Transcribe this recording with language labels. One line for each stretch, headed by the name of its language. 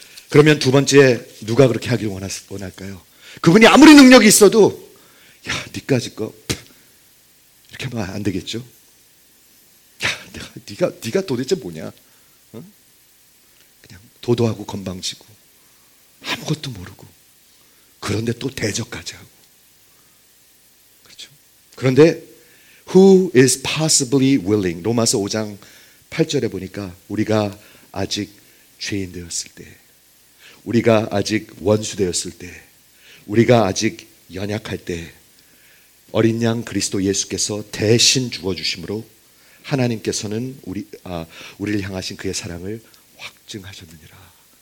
Korean: 그러면 두 번째 누가 그렇게 하길 원할까요? 그분이 아무리 능력이 있어도 야, 니까지 거 이렇게 하면 안 되겠죠? 야, 네가 도대체 뭐냐? 어? 그냥 도도하고 건방지고 아무것도 모르고 그런데 또 대적까지 하고 그렇죠? 그런데
English: Who is possibly willing?
Korean: 로마서 5장 8절에 보니까 우리가 아직 죄인 되었을 때 우리가 아직 원수 되었을 때 우리가 아직 연약할 때 어린 양 그리스도 예수께서 대신 죽어주심으로 하나님께서는 우리를 향하신 그의 사랑을 확증하셨느니라.